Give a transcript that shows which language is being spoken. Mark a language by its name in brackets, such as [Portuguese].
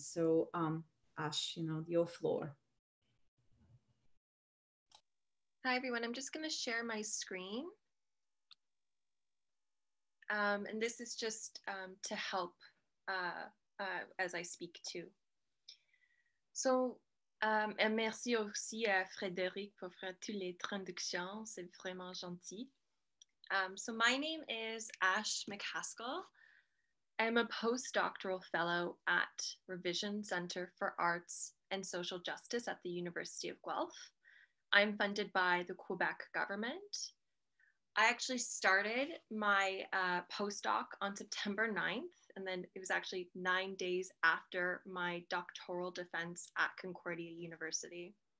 [English] So Ash, you know, your floor. Hi everyone, I'm just gonna share my screen. And this is just to help as I speak too. [French] So, et merci aussi à Frédéric pour faire toutes les traductions, c'est vraiment gentil. [English] So my name is Ash McAskill. I'm a postdoctoral fellow at Revision Center for Arts and Social Justice at the University of Guelph. I'm funded by the Quebec government. I actually started my postdoc on September 9th, and then it was actually 9 days after my doctoral defense at Concordia University.